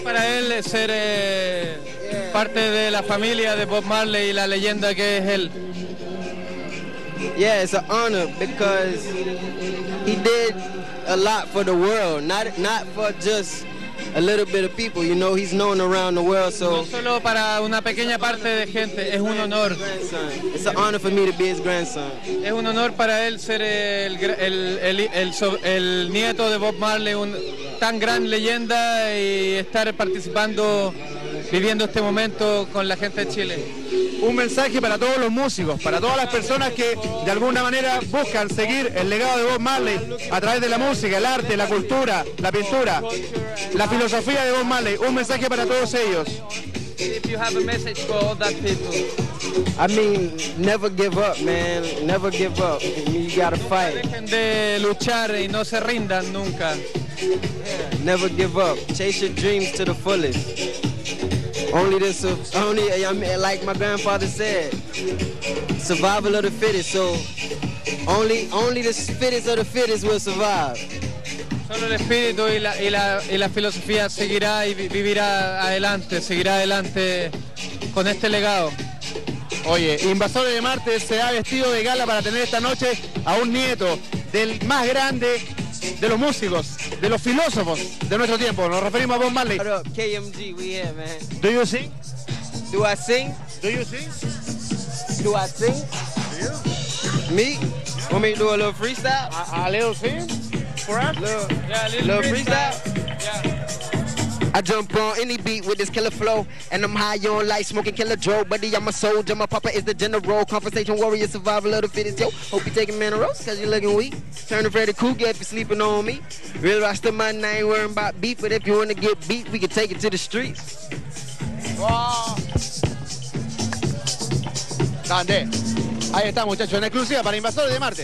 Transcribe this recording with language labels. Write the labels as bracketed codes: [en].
[es] Para él ser parte de la familia de Bob Marley y la leyenda que es él. [en] Yeah, it's an honor because he did a lot for the world, not for just a little bit of people. You know, he's known around the world, so. [es] No solo para una pequeña parte de gente, es un honor. [en] It's an honor for me to be his grandson. [es] Es un honor para él ser el nieto de Bob Marley, un tan gran leyenda, y estar participando, viviendo este momento con la gente de Chile. Un mensaje para todos los músicos, para todas las personas que de alguna manera buscan seguir el legado de Bob Marley a través de la música, el arte, la cultura, la pintura, la filosofía de Bob Marley. Un mensaje para todos ellos. [en] If you have a message for all that people. I mean, never give up, man. Never give up. You gotta fight. [es] Dejen de luchar y no se rindan nunca. [en] Never give up. Chase your dreams to the fullest. Only this, only, I mean, like my grandfather said, survival of the fittest. So only the fittest of the fittest will survive. [es] Solo el espíritu y la filosofía seguirá y vivirá adelante, seguirá adelante con este legado. Oye, Invasores de Marte se ha vestido de gala para tener esta noche a un nieto del más grande de los músicos, de los filósofos de nuestro tiempo. Nos referimos a Bob Marley. [en] What up, KMG, we here, man. Do you sing? Do I sing? Do you sing? Do I sing? Yeah. Me? Want me to do a little freestyle? A little sing? For us? A little freestyle? Yeah. I jump on any beat with this killer flow, and I'm high on life, smoking killer Joe. Buddy, I'm a soldier, my papa is the general. Conversation warrior, survival of the fittest, yo. Hope you taking minerals, cause you looking weak. Turn to Freddy Krueger if you're sleeping on me. Real roster my name, worrying about beef. But if you wanna get beat, we can take it to the streets. [es] Wow. Ande. Ahí está, muchachos, en exclusiva para Invasores de Marte.